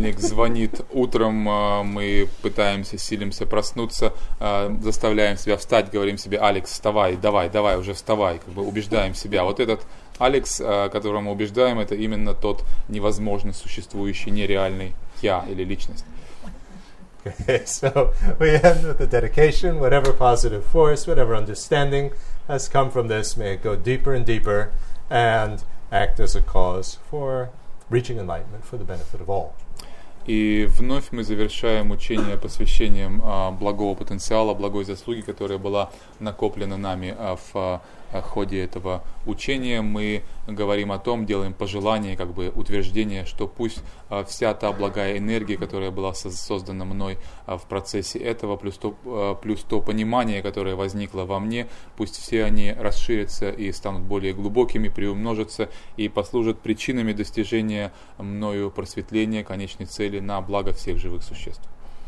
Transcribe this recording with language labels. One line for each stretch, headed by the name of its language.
Russian: звонит утром, мы пытаемся, силимся проснуться, заставляем себя встать, говорим себе: «Алекс, вставай, давай, уже вставай», как бы убеждаем себя. Вот этот Алекс, которого мы убеждаем, это именно тот невозможно существующий, нереальный я или личность.
English: Okay, so we end with the dedication. Whatever positive force, whatever understanding has come from this, may it go deeper and deeper and act as a cause for reaching enlightenment for the benefit of all.
Russian: И вновь мы завершаем учение посвящением благого потенциала, благой заслуги, которая была накоплена нами в ходе этого учения. Мы говорим о том, делаем пожелание, как бы утверждение, что пусть вся та благая энергия, которая была создана мной в процессе этого, плюс то понимание, которое возникло во мне, пусть все они расширятся и станут более глубокими, приумножатся и послужат причинами достижения мною просветления, конечной цели на благо всех живых существ.